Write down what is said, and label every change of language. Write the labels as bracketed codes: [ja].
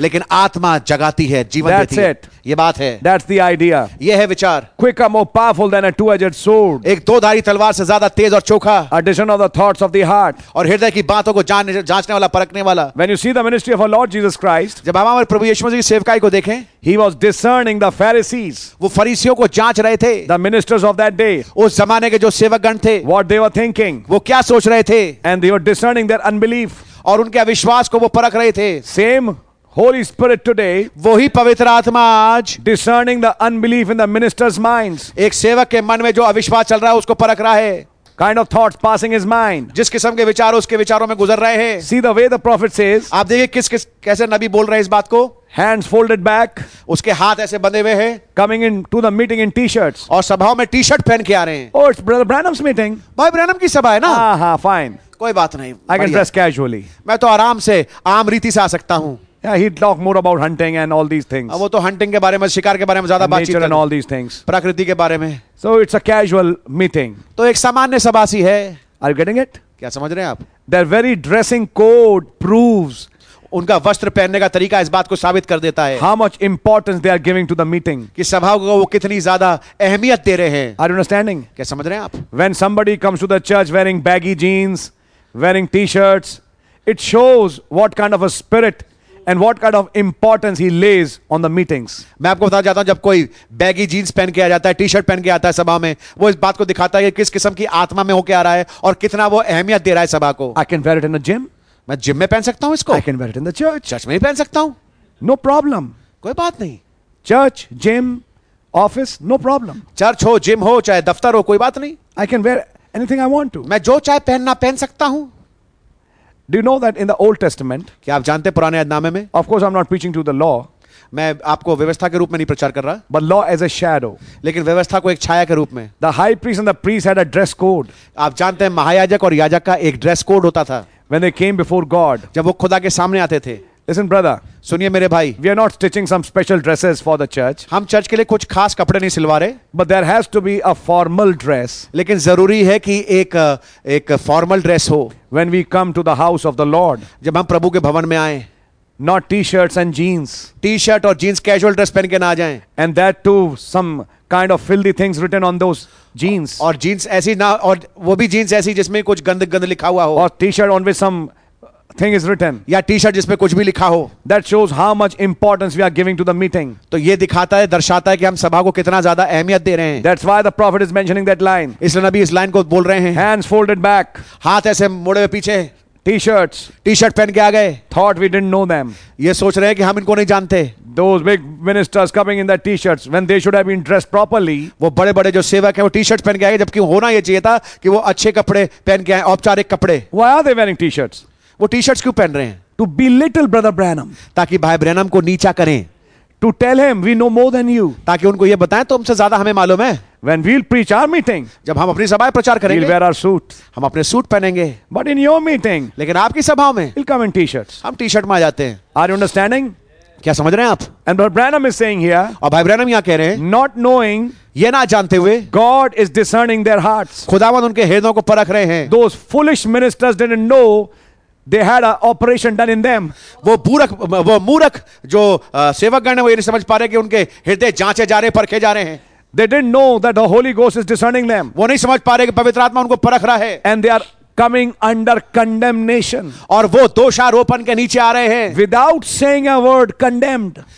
[hi] लेकिन आत्मा जगाती है, जीवन देती है. [en] That's it. [hi] ये बात है. [en] That's the idea. [hi] ये है विचार. [en] Quicker, more powerful than a two-edged sword. [hi] एक दोधारी तलवार से ज़्यादा तेज़ और चोखा. [en] A discern of the thoughts of the heart. [hi] और हृदय की बातों को जांचने वाला, परखने वाला. [en] When you see the ministry of our Lord Jesus Christ. [hi] जब हम हमारे प्रभु यीशु मसीह की सेवकाई को देखें. [en] He was discerning the Pharisees. [hi] वो फरीसियों को जांच रहे थे. [en] The ministers of that day. [hi] उस जमाने के जो सेवकगण थे. [en] What they were thinking. [hi] वो क्या सोच रहे थे. [en] And they were discerning their unbelief. [hi] और उनके अविश्वास को वो परख रहे थे. [en] Same holy spirit today. [hi] वही पवित्र आत्मा आज. [en] Discerning the unbelief in the ministers minds. [hi] एक सेवक के मन में जो अविश्वास चल रहा है उसको परख रहा है. [en] Kind of thoughts passing his mind. [hi] जिस किस्म के विचार उसके विचारों में गुजर रहे हैं. [en] See the way the prophet says. [hi] आप देखिए किस कैसे नबी बोल रहे हैं इस बात को. [en] Hands folded back. [hi] उसके हाथ ऐसे बंधे हुए हैं. [en] Coming in to the meeting in t-shirts. [hi] और सभाओं में t-shirt पहन के आ रहे हैं. [en] Oh, it's Brother Branham's meeting. [hi] भाई ब्रैनम की सभा है ना. [en] हाँ हाँ fine. [hi] कोई बात नहीं. [en] I can dress casually. [hi] मैं तो आराम से आम रीति से आ सकता हूँ. [en] Yeah, he'd talk more about hunting and all these things. [hi] वो तो hunting के बारे में, शिकार के बारे में ज़्यादा बातचीत. [en] Nature and all these things. [hi] प्रकृति के बारे में. [en] So it's a casual meeting. [hi] तो एक सामान्य सभा सी है. [en] Are you getting it? [hi] क्या समझ रहे हैं आप? [en] Their very dressing code proves. [hi] उनका वस्त्र पहनने का तरीका इस बात को साबित कर देता है. [en] How much importance they are giving to the meeting. [hi] कि सभा को वो कितनी ज़्यादा अहमियत दे रहे हैं. [en] Are you understanding? [hi] क्या समझ रहे हैं आप? [en] When somebody comes to the church wearing baggy jeans, wearing t-shirts, it shows what kind of a spirit. And what kind of importance he lays on the meetings. [hi] मैं आपको बताना चाहता हूँ जब कोई baggy jeans पहन के आ जाता है, t-shirt पहन के आता है सभा में, वो इस बात को दिखाता है कि किस किस्म की आत्मा में होके आ रहा है और कितना वो अहमियत दे रहा है सभा को. [en] I can wear it in a gym. [hi] मैं जिम में पहन सकता हूँ इसको. [en] I can wear it in the church. [hi] Church में ही पहन सकता हूँ. [en] No problem. [hi] कोई बात नहीं. [en] Church, gym, office, no problem. [hi] Church हो, जिम हो, चाहे दफ्तर हो, कोई बात नहीं. [en] I can wear anything I want to. [hi] मैं जो चाहे पहनना पहन सकता हूँ. [en] Do you know that in the Old Testament? [hi] क्या आप जानते हैं पुराने अध्याय में? [en] Of course, I'm not preaching to the law. [hi] मैं आपको व्यवस्था के रूप में नहीं प्रचार कर रहा. [en] But law as a shadow. [hi] लेकिन व्यवस्था को एक छाया के रूप में. [en] The high priest and the priest had a dress code. [hi] आप जानते हैं महायाजक और याजक का एक ड्रेस कोड होता था. [en] When they came before God. [hi] जब वो खुदा के सामने आते थे. [en] Listen, brother. [hi] सुनिए मेरे भाई. [en] We are not stitching some special dresses for the church. [hi] हम चर्च के लिए कुछ खास कपड़े नहीं सिलवा रहे. [en] But there has to be a formal dress. [hi] लेकिन जरूरी है कि एक formal dress हो. [en] When we come to the house of the Lord. [hi] जब हम प्रभु के भवन में आए. [en] Not t-shirts and jeans. [hi] T-shirt or jeans, casual dress पहन के ना जाएं. [en] And that too, some kind of filthy things written on those jeans. [hi] और jeans ऐसी ना और वो भी jeans ऐसी जिसमें कुछ गंद गंद लिखा हुआ हो. [en] Or t-shirt on which some thing is written. [hi] या t-shirt जिसमें कुछ भी लिखा हो. [en] That shows how much importance we are giving to the meeting. [hi] तो ये दिखाता है, दर्शाता है कि हम सभा को कितना ज़्यादा अहमियत दे रहे हैं. [en] That's why the prophet is mentioning that line. [hi] इसलिए नबी इस line को बोल रहे हैं. [en] Hands folded back. [hi] हाथ ऐसे मुड़े हुए पीछे. [en] T-shirts. [hi] T-shirt पहन के आ गए. [en] Thought we didn't know them. [hi] ये सोच रहे हैं कि हम इनको नहीं जानते. [en] Those big ministers coming in their T-shirts when they should have been dressed properly. [hi] वो बड़े-बड़े जो सेवक हैं वो T-shirts पहन के आए, जबकि होना ये चाहिए था कि वो अच्छे कपड़े पहन के आए, औपचारिक कपड़े. [en] Why are they wearing T-shirts? [hi] वो T-shirts क्यों पहन रहे हैं? [en] To belittle brother Branham. [hi] ताकि भाई ब्रैनम को नीचा करें. [en] To tell him we know more than you. [hi] ताकि उनको ये बताएं तो हमसे ज़्यादा हमें मालूम है. [en] When we'll preach our meeting. [hi] जब हम अपनी सभा में प्रचार करेंगे. [en] We'll wear our suit. [hi] हम अपने सूट पहनेंगे. [en] But in your meeting. [hi] लेकिन आपकी सभाओं में. [en] We'll come in t-shirts. [hi] हम t-shirt में आ जाते हैं. [en] Are you understanding? [hi] क्या समझ रहे हैं आप? [en] And Brother Branham is saying here. [hi] और भाई ब्रैनम यहाँ कह रहे हैं. [en] Not knowing. [hi] ये ना जानते हुए. [en] God is discerning their hearts. [hi] खुदावंद उनके हृदयों को परख रहे हैं. [en] Those foolish ministers didn't know. They had an operation done in them. [hi] वो बूरख, वो मूरख जो सेवकगण हैं, वो ये नहीं समझ पा रहे कि उनके हृदय जांचे जा रहे हैं, परखे जा रहे हैं. [en] They didn't know that the Holy Ghost is discerning them. [hi] वो नहीं समझ पा रहे कि पवित्र आत्मा उनको परख रहा है. [en] And they are coming under condemnation. [hi] और वो दोषारोपण के नीचे आ रहे हैं. [en] Without saying a word, condemned.